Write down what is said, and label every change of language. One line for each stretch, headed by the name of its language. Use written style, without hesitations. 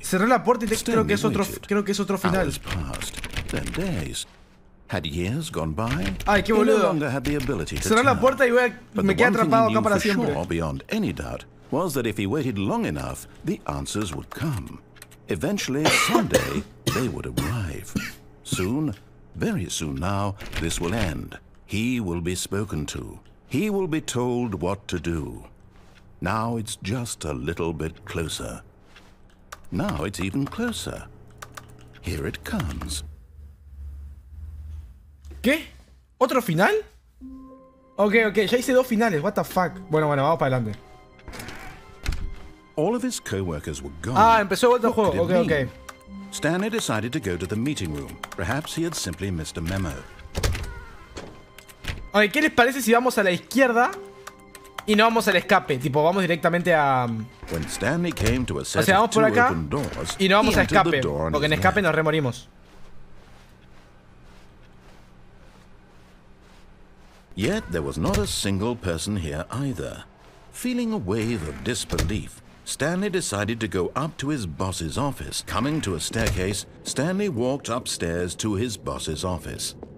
Spanish: Cerré la puerta y creo que es otro final.
English: Hours passed, then days. Had years gone by.
Spanish: Ay, qué boludo.
English: He no longer had the ability to
Spanish: cerré
English: turn.
Spanish: La puerta y me quedé atrapado acá para siempre.
English: Sure, beyond any doubt, was that if he waited long enough, the answers would come. Eventually, someday, they would arrive. Soon, very soon now, this will end. He will be spoken to. He will be told what to do. Now it's just a little bit closer. Now it's even closer. Here it comes.
Spanish: ¿Qué? ¿Otro final? Okay, ya hice dos finales.
English: What the fuck?
Spanish: Bueno, vamos para adelante.
English: All of his co-workers were gone.
Spanish: Ah, empezó otro juego. Okay.
English: Stanley decided to go to the meeting room. Perhaps he had simply missed a memo.
Spanish: Oye, ¿qué les parece si vamos a la izquierda? Y no vamos al escape, tipo, vamos directamente a...
English: When Stanley came to a set
Spanish: o sea, vamos por acá
English: doors,
Spanish: y no vamos a escape, porque en escape nos remorimos.
English: Yet there was not a single person here either. Feeling a wave of disbelief, Stanley decided to go up to his boss's office. Coming to a staircase, Stanley walked upstairs to his boss's office.